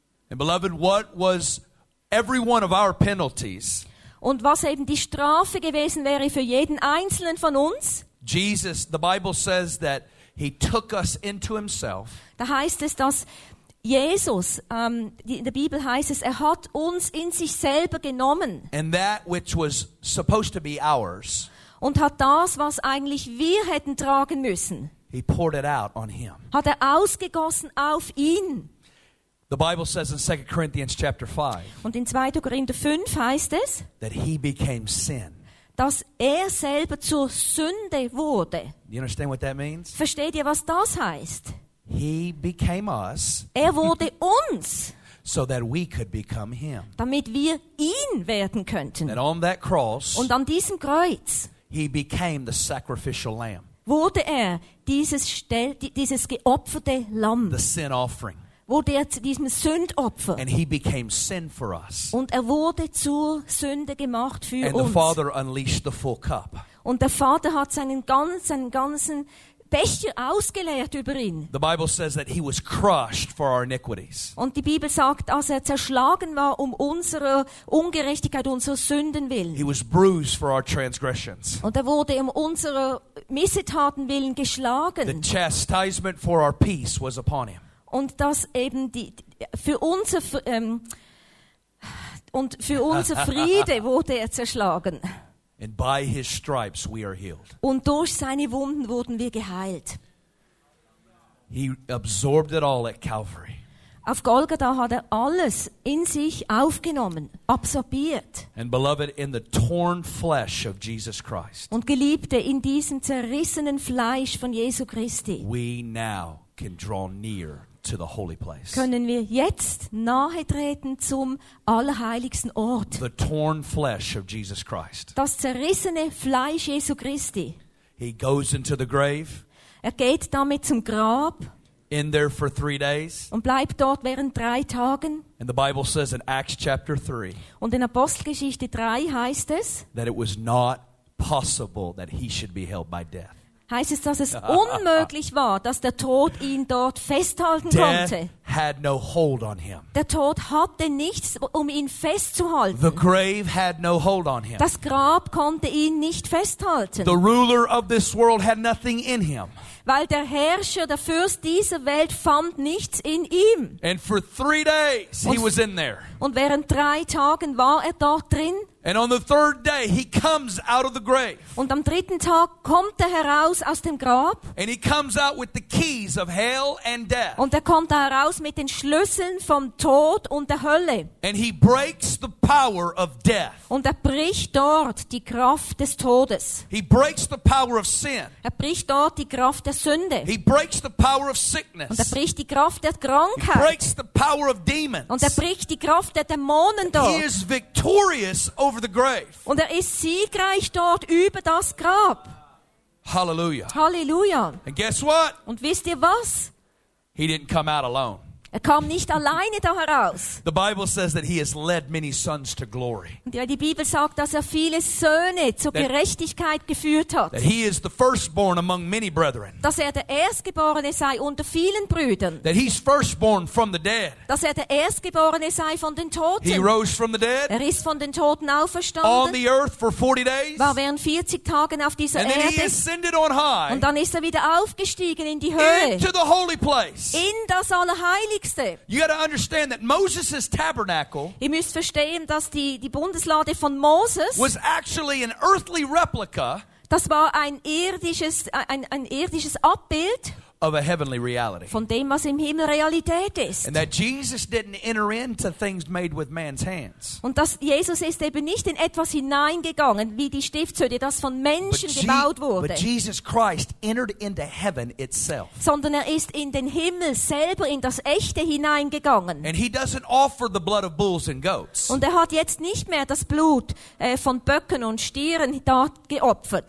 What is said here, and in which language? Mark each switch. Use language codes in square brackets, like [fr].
[en] And beloved, what was every one of our penalties? [de] Und was eben die Strafe gewesen wäre für jeden einzelnen von uns? [en] Jesus, the Bible says that he took us into himself. [de] Da heißt es, dass Jesus, in der Bibel heißt es, er hat uns in sich selber genommen. [en] And that which was supposed to be ours. [de] Und hat das, was eigentlich wir hätten tragen müssen. [en] He poured it out on him. [de] Hat er ausgegossen auf ihn. [en] The Bible says in 2 Corinthians chapter 5. [de] Und in 2. Korinther 5 heißt es, [en] that he became sin. [de] Dass er selber zur Sünde wurde. [en] You understand what that means? [de] Versteht ihr, was das heißt? [en] He became us. [de] Er wurde uns. [en] So that we could become him. [de] Damit wir ihn werden könnten. [en] And on that cross. [de] Und an diesem Kreuz. [en] He became the sacrificial lamb. [de] Wurde er dieses geopferte Lamm. [en] The sin offering. [de] Wurde er zu diesem Sündopfer. [en] And he became sin for us. [de] Und er wurde zur Sünde gemacht für [en] And [de] uns. [en] The Father unleashed the full cup. [de] Und der Vater hat seinen ganzen Becher ausgeleert über ihn. [en] The Bible says that he was crushed for our iniquities. [de] Und die Bibel sagt, dass er zerschlagen war um unsere Ungerechtigkeit, unsere Sünden willen. [en] He was bruised for our transgressions. [de] Und er wurde um unsere Missetaten willen geschlagen. [en] The chastisement for our peace was upon him. [de] Und dass eben für unser Friede wurde er zerschlagen. [en] And by his stripes we are healed. [de] Und durch seine Wunden wurden wir geheilt. [en] He absorbed it all at Calvary. [de] Auf Golgatha hat er alles in sich aufgenommen, absorbiert. [en] And beloved, in the torn flesh of Jesus Christ. [de] Und Geliebte, in diesem zerrissenen Fleisch von Jesu Christi. [en] We now can draw near. To the holy place. [de] Können wir jetzt nahe treten zum allerheiligsten Ort? [en] The torn flesh of Jesus Christ. [de] Das zerrissene Fleisch Jesu Christi. [en] He goes into the grave. [de] Er geht damit zum Grab. [en] In there for 3 days. [de] Und bleibt dort während 3 Tagen. [en] And the Bible says in Acts chapter 3. [de] Und in Apostelgeschichte 3 heißt es, [en] that it was not possible that he should be held by death. [de] Heißt es, dass es unmöglich war, dass der Tod ihn dort festhalten [en] Death [de] konnte? [en] had no hold on him. [de] Der Tod hatte nichts, um ihn festzuhalten. [en] The grave had no hold on him. [de] Das Grab konnte ihn nicht festhalten. [en] The ruler of this world had nothing in him. [de] Weil der Herrscher, der Fürst dieser Welt, fand nichts in ihm. [en] And for 3 days he was in there. [de] Und während 3 Tagen war er dort drin. [en] And on the third day he comes out of the grave. [de] Und am dritten Tag kommt er heraus aus dem Grab. [en] And he comes out with the keys of hell and death. [de] Und er kommt heraus mit den Schlüsseln vom Tod und der Hölle. [en] And he breaks the power of death. [de] Und er bricht dort die Kraft des Todes. [en] He breaks the power of sin. [de] Er bricht dort die Kraft der Sünde. [en] He breaks the power of sickness. [de] Und er bricht die Kraft der Krankheit. [en] He breaks the power of demons. [de] Und er bricht die Kraft der Dämonen dort. [en] He is victorious over the grave. [de] Und er ist siegreich dort über das Grab. [en] Hallelujah. [de] Hallelujah. [en] And guess what? [de] Und wisst ihr was? [en] He didn't come out alone. [de] Er kam nicht alleine da heraus. [en] The Bible says that he has led many sons to glory. [de] Ja, die Bibel sagt, dass er viele Söhne zur Gerechtigkeit geführt hat. [en] That he is the firstborn among many brethren. [de] Dass er der Erstgeborene sei unter vielen Brüdern. [en] That he's firstborn from the dead. [de] Dass er der Erstgeborene sei von den Toten. [en] He rose from the dead. [de] Er ist von den Toten auferstanden. [en] On the earth for 40 days. [de] War während 40 Tagen auf dieser [en] And [de] Erde. [en] And then he ascended on high. [de] Und dann ist er wieder aufgestiegen in die Höhe. [en] Into the holy place. [de] In das Allerheilige. [en] You got to understand that Moses' tabernacle. [de] Ihr müsst verstehen, dass die Bundeslade von Moses [en] was actually an earthly replica. [de] Das war ein irdisches Abbild [en] of a heavenly reality. [de] Von dem, was im Himmel Realität ist. [en] And that Jesus didn't enter into things made with man's hands. [de] Und dass Jesus ist eben nicht in etwas hineingegangen, wie die Stiftshütte, das von Menschen gebaut wurde. [en] But Jesus Christ entered into heaven itself. [de] Sondern er ist in den Himmel selber, in das Echte hineingegangen. [en] And he doesn't offer the blood of bulls and goats. [de] Und er hat jetzt nicht mehr das Blut von Böcken und Stieren dort geopfert.